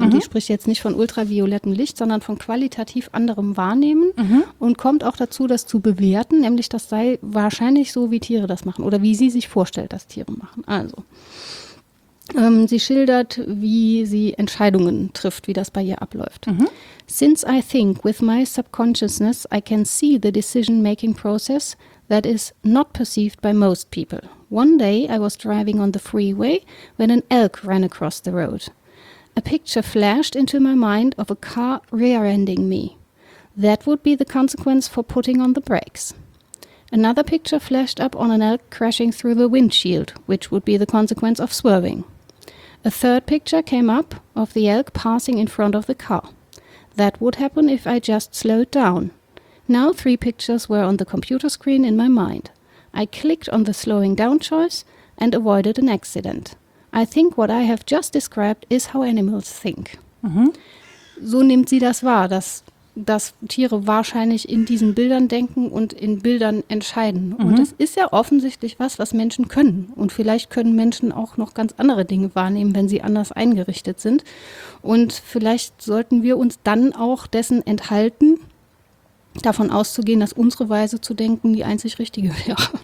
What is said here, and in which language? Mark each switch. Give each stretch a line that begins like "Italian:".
German: Und die spricht jetzt nicht von ultraviolettem Licht, sondern von qualitativ anderem Wahrnehmen und kommt auch dazu, das zu bewerten, nämlich das sei wahrscheinlich so, wie Tiere das machen oder wie sie sich vorstellt, dass Tiere machen. Also, sie schildert, wie sie Entscheidungen trifft, wie das bei ihr abläuft.
English: Since I think with my subconsciousness, I can see the decision-making process that is not perceived by most people. One day I was driving on the freeway when an elk ran across the road. A picture flashed into my mind of a car rear-ending me. That would be the consequence for putting on the brakes. Another picture flashed up on an elk crashing through the windshield, which would be the consequence of swerving. A third picture came up of the elk passing in front of the car. That would happen if I just slowed down. Now three pictures were on the computer screen in my mind. I clicked on the slowing down choice and avoided an accident. I think what I have just described is how animals think.
German: So nimmt sie das wahr, dass Tiere wahrscheinlich in diesen Bildern denken und in Bildern entscheiden. Und es ist ja offensichtlich was Menschen können. Und vielleicht können Menschen auch noch ganz andere Dinge wahrnehmen, wenn sie anders eingerichtet sind. Und vielleicht sollten wir uns dann auch dessen enthalten, davon auszugehen, dass unsere Weise zu denken die einzig richtige wäre.